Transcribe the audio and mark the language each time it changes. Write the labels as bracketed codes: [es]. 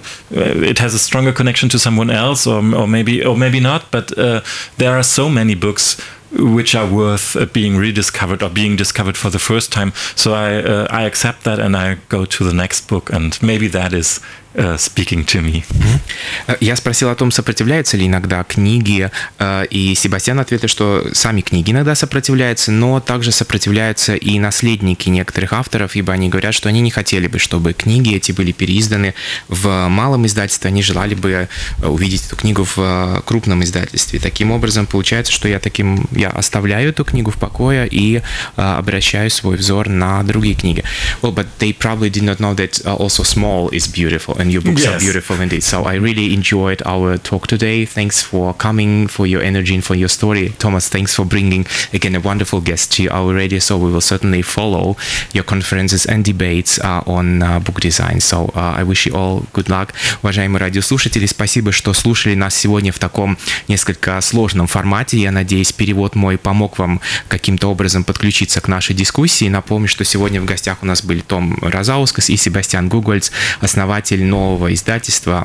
[en] It has a stronger connection to someone else, or maybe not. But there are so many books which are worth being rediscovered or being discovered for the first time. So I accept that and I go to the next book, and maybe that is speaking to me. [ru] Я спросил о том, сопротивляются ли иногда книги, и Себастьян ответил, что сами книги иногда сопротивляются, но также сопротивляются и наследники некоторых авторов, ибо они говорят, что они не хотели бы, чтобы книги эти были переизданы в малом издательстве, они желали бы увидеть эту книгу в крупном издательстве. Таким образом, получается, что я оставляю эту книгу в покое и обращаю свой взор на другие книги. [en] Well, but they probably did not know that also small is beautiful. And your books yes. are beautiful indeed. So I really enjoyed our talk today. Thanks for coming, for your energy and for your story. Thomas, thanks for bringing again a wonderful guest to our radio. So we will certainly follow your conferences and debates on book design. So I wish you all good luck. [ru] Уважаемые радиослушатели, спасибо, что слушали нас сегодня в таком несколько сложном формате. Я надеюсь, перевод мой помог вам каким-то образом подключиться к нашей дискуссии. Напомню, что сегодня в гостях у нас были Том Розаускас и Себастьян Гугольц, основатель нового издательства.